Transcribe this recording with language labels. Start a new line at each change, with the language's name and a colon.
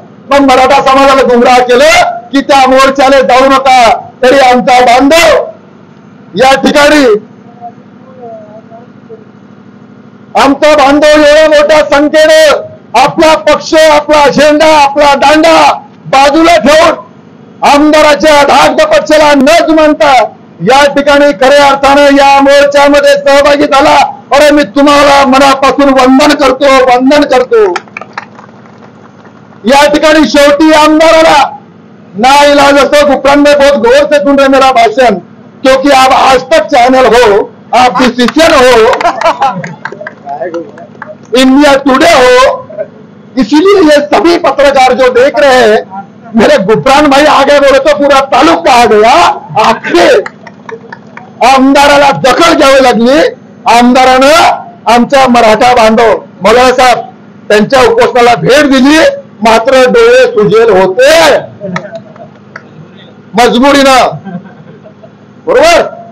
Marathi: मग मराठा समाजाला गुमराह केलं की त्या मोर्चाने जाऊ नका, तरी आमचा बांधव या ठिकाणी, आमचा बांधव एवढ्या मोठ्या संख्येने आपला पक्ष आपला अजेंडा आपला दांडा बाजूला ठेवून आमदाराच्या धाकट पक्षाला न जुमानता या ठिकाणी खऱ्या अर्थाने या मोर्चामध्ये सहभागी झाला। अरे मी तुम्हाला मनापासून वंदन करतो, वंदन करतो। या ठिकाणी शेवटी आमदाराला ना इलाज असतो,
Hindi: गुप्रांड बहुत गौर से सुन रहे मेरा भाषण, क्योंकि आप आज तक चैनल हो आप डिसीजन हो, इंडिया टुडे हो, इसीलिए ये सभी पत्रकार जो देख रहे हैं मेरे गुप्रान भाई आ गए बोले तो पूरा तालुका आ गया।
Marathi: आखिर आमदाराला दखल घ्यावे लागली, आमदारानं आमचा मराठा बांधव मगळा साहब त्यांच्या उपोषणाला भेट दिली, मात्र डोळे सुजेल होते मजबुरीनं, बरोबर।